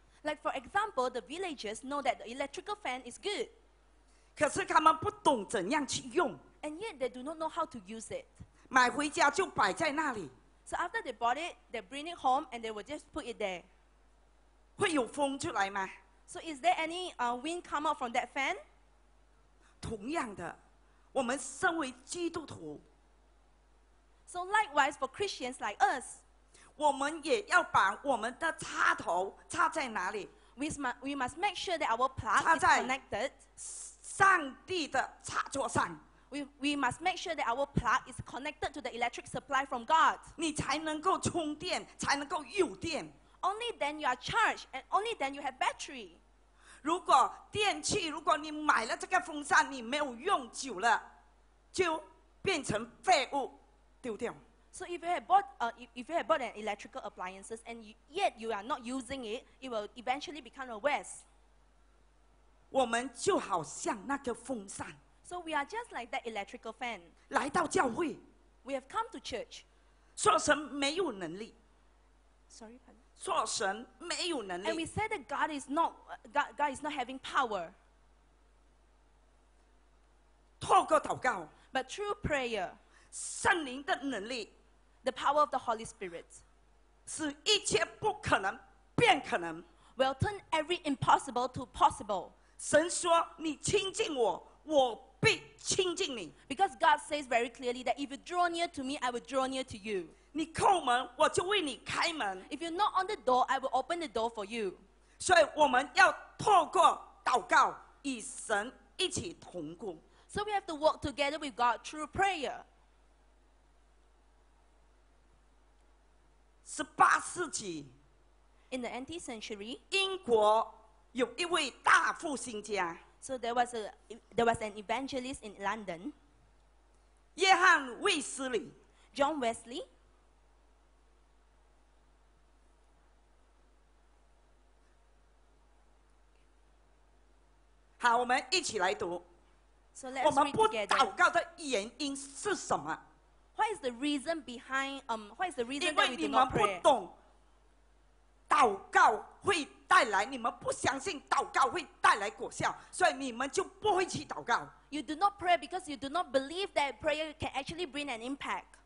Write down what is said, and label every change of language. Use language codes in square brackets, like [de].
[en] Like for example, the villagers know that the electrical fan is good. [zh] 可是他们不懂怎样去用 [en] And yet they do not know how to use it. [zh] 买回家就摆在那里 [en] So after they bought it, they bring it home and they will just put it there. [zh] 会有风出来吗 [en] So is there any wind come out from that fan? [zh] 同样的，我们身为基督徒 [en] So likewise for Christians like us, [zh] 我们也要把我们的插头插在哪里 [en] We must make sure that our plug is connected. [zh] 上帝的插座上 [en] We must make sure that our plug is connected to the electric supply from God. [zh] 你才能够充电，才能够有电 [en] Only then you are charged, and only then you have battery. [zh] 如果电器，如果你买了这个风扇，你没有用久了，就变成废物。 [en] So if you have bought an electrical appliances and yet you are not using it, it will eventually become a waste. [zh] 我们就好像那个风扇。 [en] So we are just like that electrical fan. [zh] 来到教会。 [en] We have come to church. [zh] 说神没有能力。 [en] Sorry, pardon. [zh] 说神没有能力。 [en] And we said that God is not having power. [zh] 透过祷告。 [en] But through prayer. [zh] 圣灵的能力 [en] The power of the Holy Spirit [zh] 使一切不可能变可能 [en] Will turn every impossible to possible [zh] 神说你亲近我我必亲近你 [en] Because God says very clearly that if you draw near to me I will draw near to you [zh] 你叩门我就为你开门 [en] If you knock on the door I will open the door for you [zh] 所以我们要透过祷告与神一起同工 [en] So we have to work together with God through prayer [zh] 18世纪 [en] In the 18th century, [zh] 英国有一位大复兴家。 [en] So there was an evangelist in London. [zh] 约翰·卫斯理。 [en] John Wesley. [zh] 好，我们一起来读。 [en] So let's read together. [zh] 我们不祷告的原因是什么？ [en] What is the reason behind? What is the reason that we do not pray? [zh] 因为你们不懂，祷告会带来，你们不相信祷告会带来果效，所以你们就不会去祷告。 [en] You do not pray because you do not believe that prayer can actually bring an impact.